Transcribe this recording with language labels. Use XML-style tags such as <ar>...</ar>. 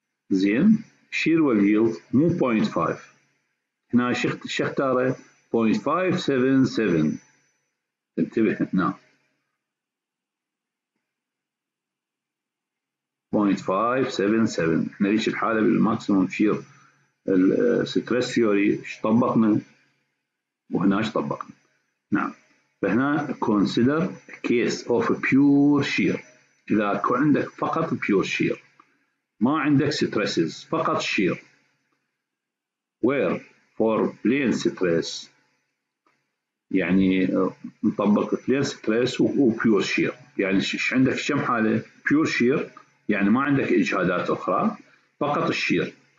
<ar>زين، شير واليلد مو 0.5، هنا شختارة 0.577. انتبه هنا 0.577. احنا ليش الحالة بالماكسيموم شير الستريس ثيوري ايش طبقنا وهنا ايش طبقنا. نعم، فهنا</ar> <en>consider a case of a pure shear.</en> <ar>اذا كان عندك فقط pure shear ما عندك stresses فقط shear،</ar> <en>where for plane stress</en> <ar>يعني نطبق plane stress و pure shear يعني ش عندك كم حالة pure shear يعني ما عندك إجهادات أخرى فقط الشير.</ar>